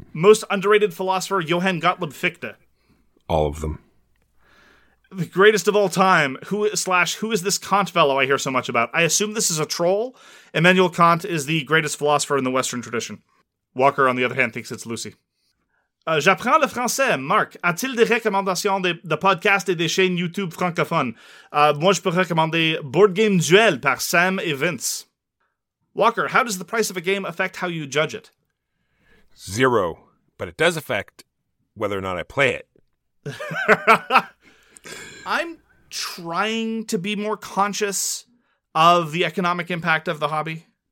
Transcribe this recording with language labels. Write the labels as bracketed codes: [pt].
[en] Most underrated philosopher, Johann Gottlob Fichte. All of them. The greatest of all time. Who is this Kant fellow I hear so much about? I assume this is a troll. Immanuel Kant is the greatest philosopher in the Western tradition. Walker, on the other hand, thinks it's Lucy. [fr] J'apprends le français, Marc. A-t-il des recommandations de podcasts et des chaînes YouTube francophones? Moi, je peux recommander Board Game Duel par Sam et Vince. [en] Walker, how does the price of a game affect how you judge it? Zero. But it does affect whether or not I play it. I'm trying to be more conscious of the economic impact of the hobby.